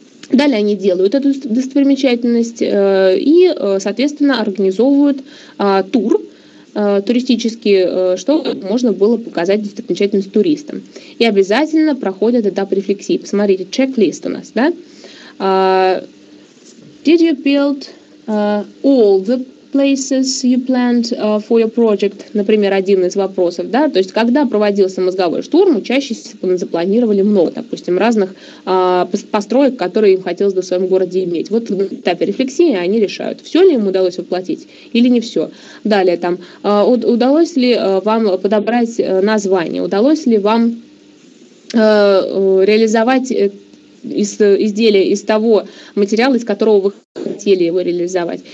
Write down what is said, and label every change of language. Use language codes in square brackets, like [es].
[ru] Далее они делают эту достопримечательность и, соответственно, организовывают тур туристический, что можно было показать достопримечательность туристам. И обязательно проходят этап рефлексии. Посмотрите, чек-лист у нас, да? [en] Did you build all the places you planned for your project? [ru] Например, один из вопросов, да? То есть, когда проводился мозговой штурм, учащиеся запланировали много, допустим, разных построек, которые им хотелось бы в своем городе иметь. Вот на этапе рефлексии они решают, все ли им удалось воплотить или не все. Далее там, удалось ли вам подобрать название, удалось ли вам реализовать изделия из того материала, из которого вы хотели его реализовать.